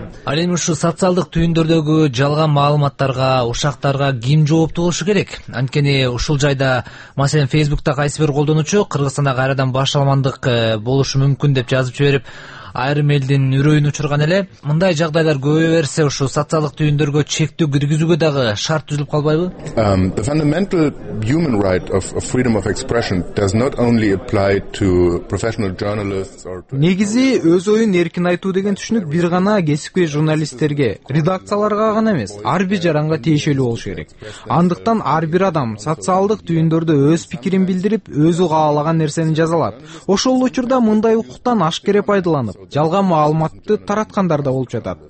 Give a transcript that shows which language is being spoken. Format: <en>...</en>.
<ky>Ал эми ушул социалдык түйүндөрдөгү жалган маалыматтарга, ушактарга ким жоопту болушу керек? Анткени ушул жайда, маселен, Facebook'та кайсы бир колдонуучу Кыргызстанда кайрадан башалмандык болушу мүмкүн деп жазып жиберип, айрым элдин үрөйүн учурган эле. Мындай жагдайлар көбөйө берсе, ушул социалдык түйүндөргө чектөө киргизүүгө дагы шарт түзүлүп калбайбы?</ky> <en>The fundamental human right of freedom of expression does not only apply to professional journalists or to...</en> <ky>Негизи өз оюн эркин айтуу деген түшүнүк бир гана кесипкөй журналисттерге, редакцияларга гана эмес, ар бир жаранга тиешелүү болуш керек. Андыктан ар бир адам социалдык түйүндөрдө өз пикирин билдирип, өзү каалаган нерсени жаза алат. Ошол учурда мындай укуктан аш кере пайдаланат. Жалган маалыматты тараткандар да болуп жатат.</ky>